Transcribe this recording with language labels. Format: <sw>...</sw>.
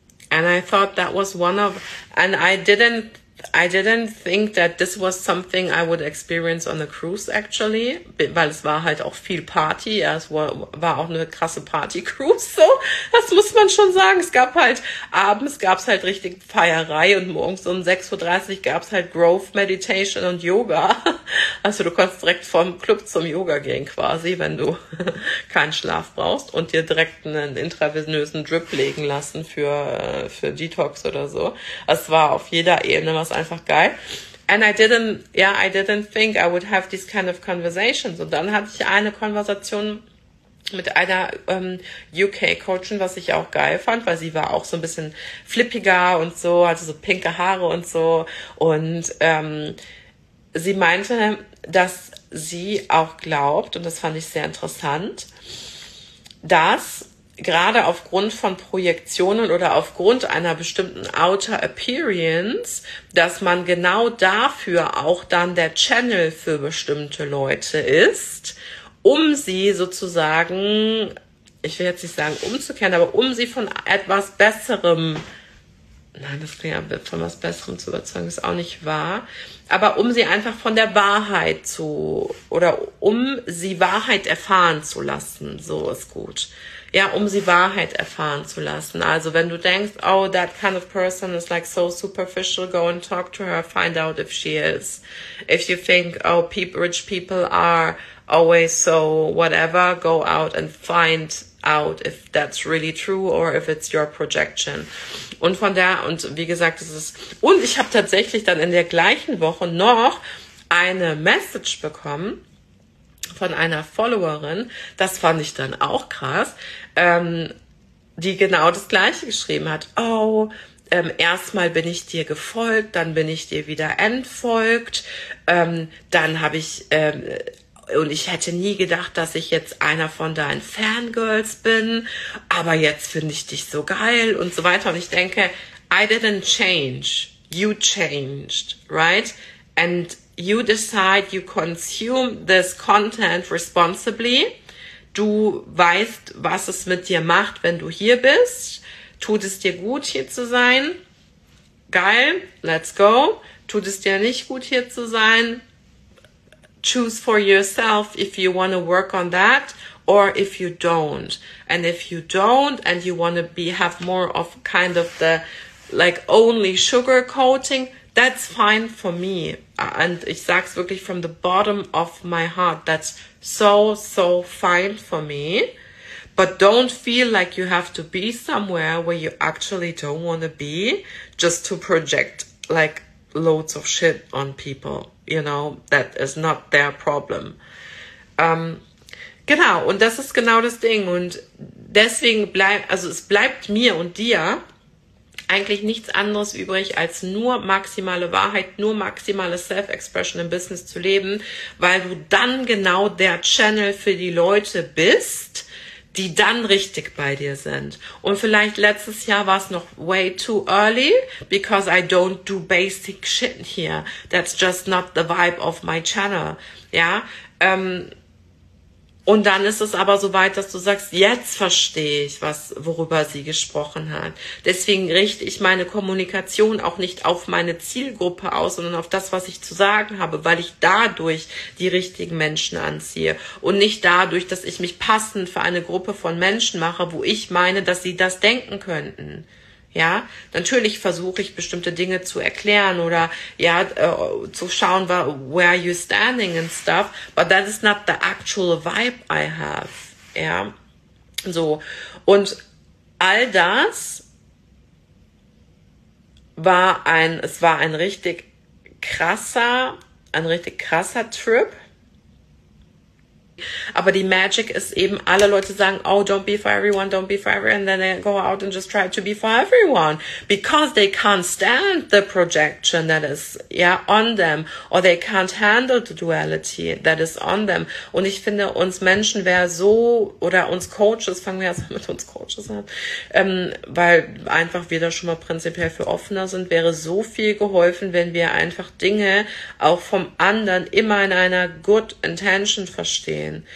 <en>And I thought that was one of, and I didn't think that this was something I would experience on a cruise, actually,</en> <de>weil es war halt auch viel Party, ja, es war auch eine krasse Party-Cruise, so, das muss man schon sagen. Es gab halt, abends gab es halt richtig Feierei und morgens um 6.30 Uhr gab es halt Growth Meditation und Yoga, also du konntest direkt vom Club zum Yoga gehen quasi, wenn du keinen Schlaf brauchst und dir direkt einen intravenösen Drip legen lassen für Detox oder so. Es war auf jeder Ebene was einfach geil.</de> <en>And I didn't think I would have these kind of conversations.</en> <de>Und dann hatte ich eine Konversation mit einer UK Coachin, was ich auch geil fand, weil sie war auch so ein bisschen flippiger und so, hatte so pinke Haare und so. Und sie meinte, dass sie auch glaubt, und das fand ich sehr interessant, dass gerade aufgrund von Projektionen oder aufgrund einer bestimmten Outer Appearance, dass man genau dafür auch dann der Channel für bestimmte Leute ist, um sie sozusagen, ich will jetzt nicht sagen umzukehren, aber um sie von etwas Besserem Nein, das klingt ja von was Besserem zu überzeugen, ist auch nicht wahr. Aber um sie einfach von der Wahrheit zu, oder um sie Wahrheit erfahren zu lassen, so ist gut. Ja, um sie Wahrheit erfahren zu lassen. Also wenn du denkst,</de> <en>oh, that kind of person is like so superficial, go and talk to her, find out if she is. If you think, oh, rich people are always so whatever, go out and find out if that's really true or if it's your projection.</en> <de>Und von da, und wie gesagt, es ist, und ich habe tatsächlich dann in der gleichen Woche noch eine Message bekommen von einer Followerin, das fand ich dann auch krass, die genau das Gleiche geschrieben hat. Oh, erstmal bin ich dir gefolgt, dann bin ich dir wieder entfolgt, dann habe ich, und ich hätte nie gedacht, dass ich jetzt einer von deinen Fangirls bin, aber jetzt finde ich dich so geil und so weiter. Und ich denke,</de> <en>I didn't change, you changed, right? And you decide, you consume this content responsibly.</en> <de>Du weißt, was es mit dir macht, wenn du hier bist. Tut es dir gut, hier zu sein? Geil,</de> <en>let's go.</en> <de>Tut es dir nicht gut, hier zu sein?</de> <en>Choose for yourself if you want to work on that or if you don't. And if you don't and you want to be have more of kind of the like only sugar coating, that's fine for me. And</en> <de>ich sag's wirklich</de> <en>from the bottom of my heart, that's so, so fine for me. But don't feel like you have to be somewhere where you actually don't want to be just to project like loads of shit on people. You know, that is not their problem.</en> <de>Genau, und das ist genau das Ding. Und deswegen bleibt, also es bleibt mir und dir eigentlich nichts anderes übrig, als nur maximale Wahrheit, nur maximale Self-Expression im Business zu leben, weil du dann genau der Channel für die Leute bist, die dann richtig bei dir sind. Und vielleicht letztes Jahr war es noch</de> <en>way too early, because I don't do basic shit here. That's just not the vibe of my channel.</en> <de>Ja, und dann ist es aber so weit, dass du sagst, jetzt verstehe ich, worüber sie gesprochen hat. Deswegen richte ich meine Kommunikation auch nicht auf meine Zielgruppe aus, sondern auf das, was ich zu sagen habe, weil ich dadurch die richtigen Menschen anziehe und nicht dadurch, dass ich mich passend für eine Gruppe von Menschen mache, wo ich meine, dass sie das denken könnten. Ja, natürlich versuche ich bestimmte Dinge zu erklären oder ja zu schauen,</de> <en>where you standing and stuff, but that is not the actual vibe I have.</en> <de>Ja, so, und all das war ein richtig krasser Trip. Aber die Magic ist eben, alle Leute sagen,</de> <en>oh, don't be for everyone, don't be for everyone, and then they go out and just try to be for everyone, because they can't stand the projection that is on them, or they can't handle the duality that is on them.</en> <de>Und ich finde, uns Menschen wäre so, oder uns Coaches, fangen wir erst mal mit uns Coaches an, weil einfach wir da schon mal prinzipiell für offener sind, wäre so viel geholfen, wenn wir einfach Dinge auch vom anderen immer in einer</de> <en>good intention</en> <de>verstehen.</de>